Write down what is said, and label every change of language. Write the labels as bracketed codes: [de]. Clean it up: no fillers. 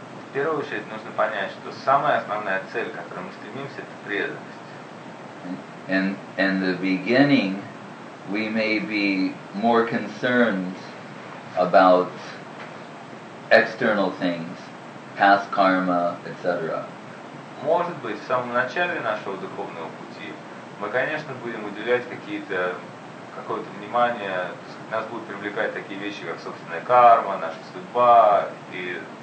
[ru] В первую очередь нужно понять, что самая основная цель, к которой мы стремимся, это преданность. [en] And in the beginning, we may be more concerned about external things, past karma, etc. [ru] Может быть, в самом начале нашего духовного пути мы, конечно, будем уделять какое-то внимание, нас будут привлекать такие вещи, как собственная карма, наша судьба и